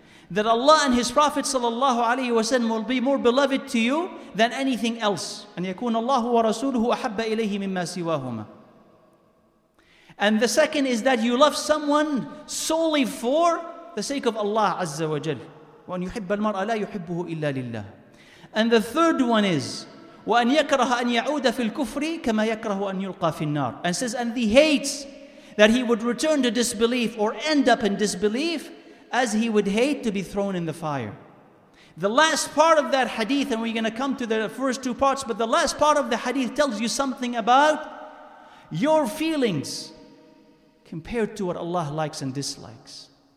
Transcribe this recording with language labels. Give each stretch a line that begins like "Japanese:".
English: That Allah and His Prophet sallallahu alayhi wa sallam will be more beloved to you than anything else.
Arabic: أَنْ يَكُونَ اللَّهُ وَرَسُولُهُ أَحَبَّ إِلَيْهِ مِمَّا سِوَاهُمَا.
English: And the second is that you love someone solely for the sake of Allah Azza wa Jal.
Arabic: وَأَنْ يُحِبَّ الْمَرْأَ لَا يُحِبُّهُ إِلَّا لِلَّهِ.
English: And the third one is,
Arabic: وَأَنْ يَكْرَهَ أَنْ يَعُودَ فِي الْكُفْرِ كَمَا يَكْرَهُ أَنْ يُلْقَى فِي النَّارِ.
English: And says, and he hates that he would return to disbelief or end up in disbelief as he would hate to be thrown in the fire. The last part of that hadith, and we're going to come to the first two parts, but the last part of the hadith tells you something about your feelings compared to what Allah likes and dislikes.